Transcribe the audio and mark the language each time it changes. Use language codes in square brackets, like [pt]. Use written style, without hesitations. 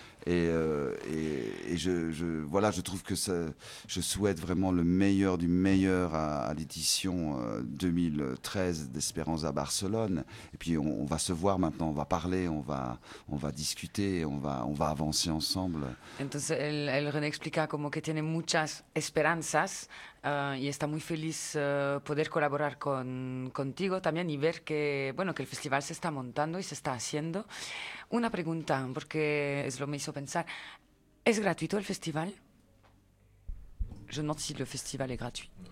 [fr] Et je trouve que ça, je souhaite vraiment le meilleur du meilleur à l'édition 2013 d'Esperanza Barcelone. Et puis on va se voir maintenant, on va parler, on va discuter, on va avancer ensemble. [es] Entonces el René explica como que tiene muchas esperanzas y está muy feliz poder colaborar contigo también y ver que bueno que el festival se está montando y se está haciendo. Una pregunta, porque es lo que me hizo pensar. ¿Es gratuito el festival? [fr] Je me demande si le festival est gratuit.